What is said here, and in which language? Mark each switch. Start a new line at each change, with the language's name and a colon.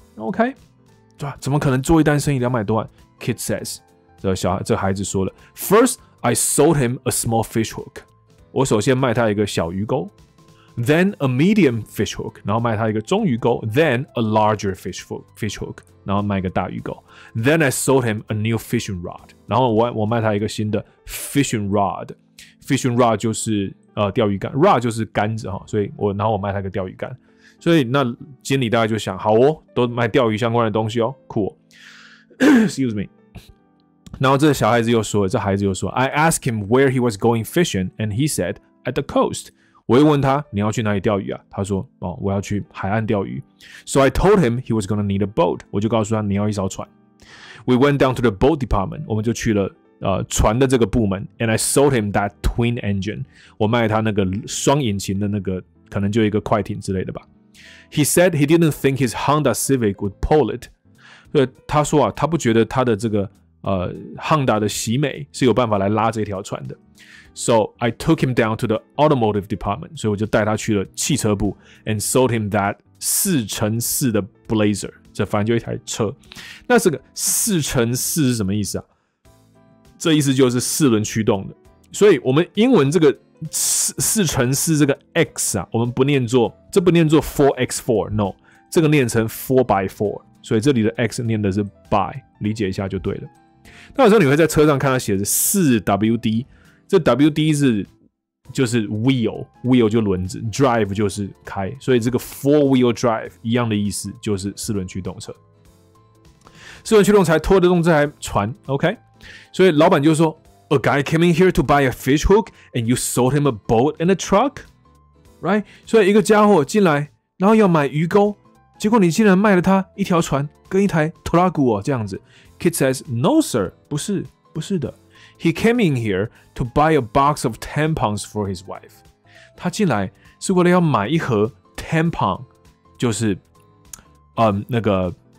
English: OK，
Chinese: 对吧？怎么可能做一单生意两百多万 ？
English: Kid says，
Chinese: 这孩子说了 ，
English: First I sold him a small fish hook，
Chinese: 我首先卖他一个小鱼钩 ，
English: Then a medium fish hook，
Chinese: 然后卖他一个中鱼钩 ，
English: Then a larger fish hook，
Chinese: 然后卖一个大鱼钩 ，
English: Then I sold him a new fishing rod，
Chinese: 然后我卖他一个新的 fishing rod， fishing rod 就是钓鱼竿 ，rod 就是竿子哈，所以然后我卖他一个钓鱼竿。所以那经理大概就想，好哦，都卖钓鱼相关的东西哦，酷哦。
English: Excuse me。
Chinese: 然后这小孩子又说了，
English: I asked him where he was going fishing, and he said at the coast。
Chinese: 我又问他你要去哪里钓鱼啊？他说哦，我要去海岸钓鱼。
English: So I told him he was going to need a boat。
Chinese: 我就告诉他你要一艘船。
English: We went down to the boat department。
Chinese: 我们就去了船的这个部门。
English: And I sold him that twin engine。
Chinese: 我卖他那个双引擎的那个，可能就一个快艇之类的吧。
English: He said he didn't think his Honda Civic would pull it.
Chinese: 他说啊，他不觉得他的这个Honda 的喜美是有办法来拉这条船的。
English: So I took him down to the automotive department.
Chinese: 所以我就带他去了汽车部
English: and sold him that
Chinese: 4x4的 Blazer. 这反正就一台车。那这个4x4是什么意思啊？这意思就是四轮驱动的。所以我们英文这个4x4这个 X 啊，我们不念作。这不念作 4x4， no， 这个念成 4x4， 所以这里的 x 念的是 by， 理解一下就对了。那有时候你会在车上看到写着 4WD，这 WD 是就是 wheel 就轮子 ，drive 就是开，所以这个 four wheel drive 一样的意思，就是四轮驱动车。四轮驱动才拖得动这台船 ，OK？所以老板就说
English: ，A guy came in here to buy a fish hook and you sold him a boat and a truck, right？
Chinese: 所以一个家伙进来，然后要买鱼钩，结果你竟然卖了他一条船跟一台拖拉机哦，这样子。
English: Kid says, "No, sir，
Chinese: 不是，不是的。
English: He came in here to buy a box of tampons for his wife。
Chinese: 他进来是为了要买一盒 tampon， 就是，那个。